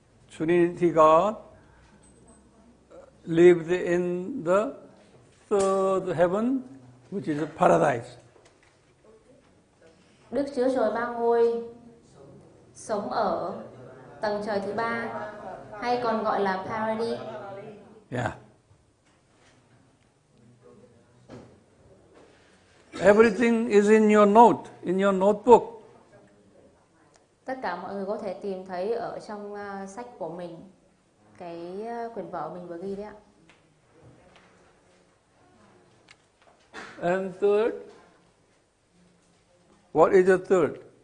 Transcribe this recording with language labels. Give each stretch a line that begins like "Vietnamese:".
Korean: 주님이
English: God lived in the third heaven, which is a paradise.
Vietnamese: Đức Chúa Trời ba ngôi sống ở tầng trời thứ ba, hay còn gọi là paradise.
English: Yeah. Everything is in your note, in your notebook.
Vietnamese: Tất cả mọi người có thể tìm thấy ở trong sách của mình, cái quyển vở mình vừa ghi đấy ạ.
English: And third, what is the third?